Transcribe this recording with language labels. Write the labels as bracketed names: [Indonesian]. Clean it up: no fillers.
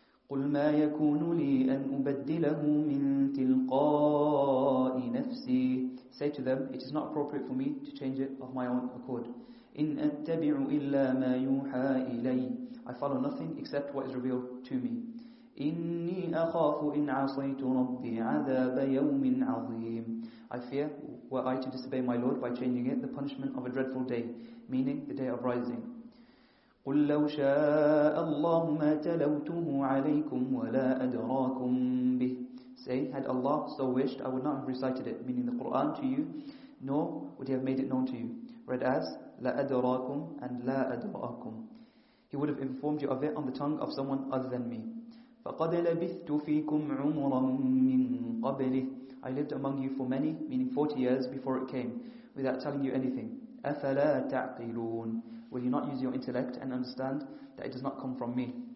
[Arabic] قُلْ مَا يَكُونُ لِي أَنْ أُبَدِّلَهُ مِنْ تِلْقَاءِ نَفْسِي. [English] Say to them, it is not appropriate for me to change it of my own accord. [Arabic] إِنْ أَتَّبِعُ إِلَّا مَا يُوحَى إِلَيْهِ. [English] I follow nothing except what is revealed to me. [Arabic] إني أخاف إن عصيت ربي عذاب يوم عظيم. [English] I fear, were I to disobey my Lord by changing it, the punishment of a dreadful day, meaning the day of rising. [Arabic] قل لو شاء الله ما تلوته عليكم ولا أدراكم به. [English] Say, had Allah so wished, I would not have recited it, meaning the Quran, to you, nor would He have made it known to you. Read as [Arabic] لا أدراكم [English] and لا أدراكم. He would have informed you of it on the tongue of someone other than me. [Arabic] فَقَدْ لَبِثْتُ فِيكُمْ عُمُرًا مِّن قَبْلِهِ. [English] I lived among you for many, meaning 40 years before it came, without telling you anything. [Arabic] أَفَلَا تَعْقِلُونَ. [English] Will you not use your intellect and understand that it does not come from me?